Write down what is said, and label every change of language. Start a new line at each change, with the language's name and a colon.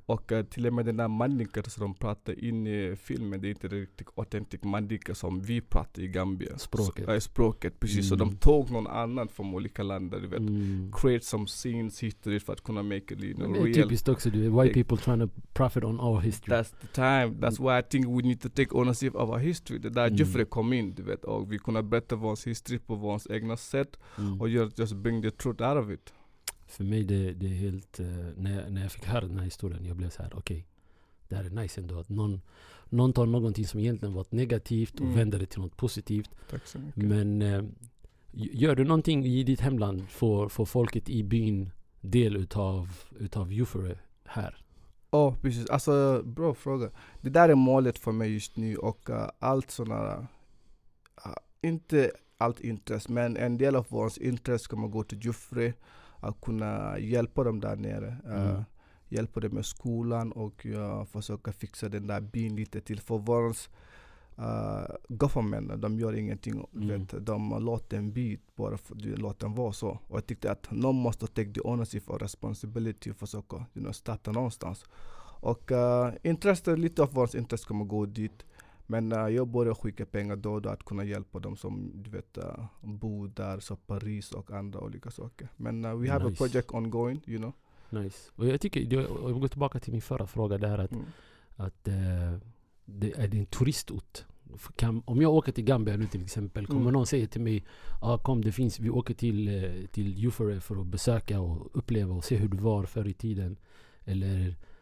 Swedish: Och till och med den där mandinka som de pratar in i filmen, det är inte riktigt autentisk mandinka som vi pratar i Gambia. Språket. Språket, precis. Så de tog någon annan från olika länder, du vet.
English: Create some scenes,
Swedish: history för att kunna
English: make it, you know, real.
Swedish: Det är typiskt också, du,
English: white people trying to profit on our history. That's the time. That's why I think we need to take ownership of our history.
Swedish: Det där Jeffrey kom in, du vet. Och vi kunna berätta vår history på vårt egna sätt. Och
English: just bring the truth out of it.
Swedish: För mig det är helt, när jag fick höra den här historien, jag blev så här, okej, det här är nice ändå att någon tar någonting som egentligen varit negativt och vänder det till något positivt. Tack så mycket. Men gör du någonting i ditt hemland för folket i byn del utav Jufure här? Oh, precis. Alltså, bra fråga. Det där är målet för mig just nu och allt sådana, inte allt intresse, men en del av vårt intresse kommer gå till Jufure. Att kunna hjälpa dem där nere. Hjälpa dem med skolan och försöka fixa den där byn lite till. För vår government, de gör ingenting. Vet, de låter en by bara låter den vara så. Och jag tyckte att någon måste ta
English: the ownership
Swedish: och
English: responsibility
Swedish: och försöka,
English: you know,
Swedish: starta någonstans. Och intresse, lite av vårt intresse kommer gå dit. Men jag började skicka pengar då att kunna hjälpa dem som du vet bor där, så Paris och andra olika saker. Men
English: we have a project ongoing, you know. Nice.
Swedish: Och jag tycker, jag går tillbaka till min förra fråga där att det är en turistort. Om jag åker till Gambia nu till exempel, kommer någon säga till mig, kom, det finns, vi åker till Jufure för att besöka och uppleva och se hur det var förr i tiden? Eller...